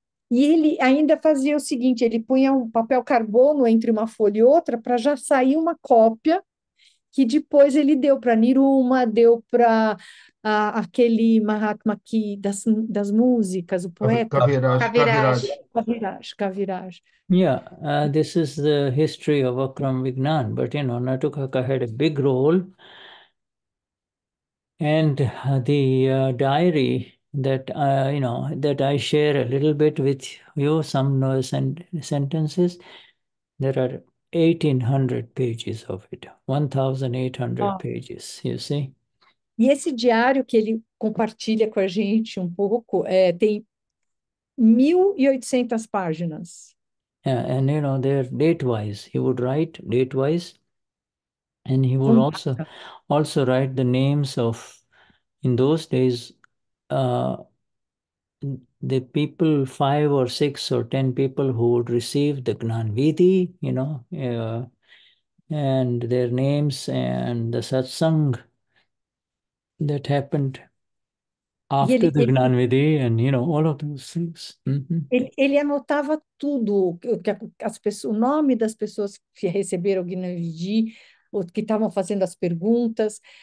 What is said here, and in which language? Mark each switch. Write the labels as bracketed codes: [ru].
[pt] E ele ainda fazia o seguinte: ele punha um papel carbono entre uma folha e outra para já sair uma cópia. Que depois ele deu para Niruma, deu para aquele Mahatma aqui das músicas, o poeta, Kaviraj, Kaviraj, Kaviraj. Kaviraj, Kaviraj. [en] Yeah, this is the history of Akram Vignan. But Natukaka had a big role. And the diary that that I share a little bit with you, some sentences, there are 1,800 pages of it. 1,800 pages, you see. [pt] E esse diário que ele compartilha com a gente um pouco tem 1.800 páginas. [en] Yeah, and they're date-wise. He would write date-wise, and he would also write the names of, in those days, the people, 5 or 6 or 10 people who would receive the Gnanvidhi, and their names and the satsang that happened after the Gnanvidhi, and all of those things. [pt] Ele anotava tudo, o nome das pessoas que receberam o Gnanvidhi, ou que estavam fazendo as perguntas.